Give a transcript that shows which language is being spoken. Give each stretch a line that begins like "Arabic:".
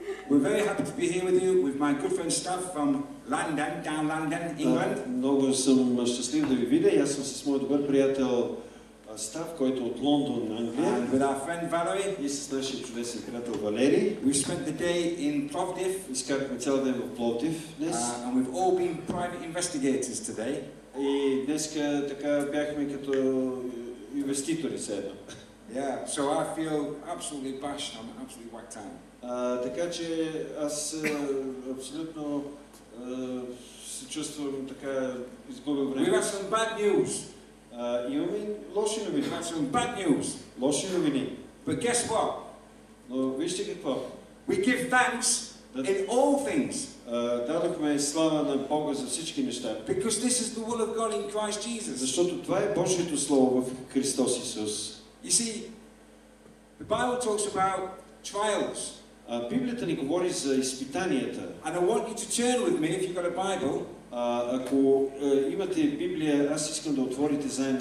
English: We're very happy to be here with you, with my good friend Staff from London, down London, England.
Bulgarian: Много съм щастлив да ви видя. Аз съм с моят добър приятел Staff, който от Лондон, Англия.
English: And with our friend Valerie.
Bulgarian: И с нашия чудесен приятел Валери.
English: We spent the day in Plovdiv.
Bulgarian: Изкарахме цял ден в Пловдив днес.
English: And we've all been private investigators today.
Bulgarian: И днеска така бяхме като инвеститори седно.
English: Yeah, so I feel absolutely bashed. I'm absolutely whacked out.
Bulgarian: Така че аз абсолютно се чувствам така изгубил време.
English: We have some bad news.
Bulgarian: Имаме лоши новини.
English: We have some bad news.
Bulgarian: Лоши новини.
English: But guess what?
Bulgarian: Но вижте какво.
English: We give thanks in all things.
Bulgarian: Дадохме слава на Бога за всички неща.
English: Because this is the will of God in Christ Jesus.
Bulgarian: Защото това е Божието слово в Христос Исус.
English: You see, the Bible talks about trials.
Bulgarian: Библията ни говори за изпитанията.
English: And I want you to turn with me if you've got a Bible.
Bulgarian: Ако имате Библия, аз искам да отворите заедно.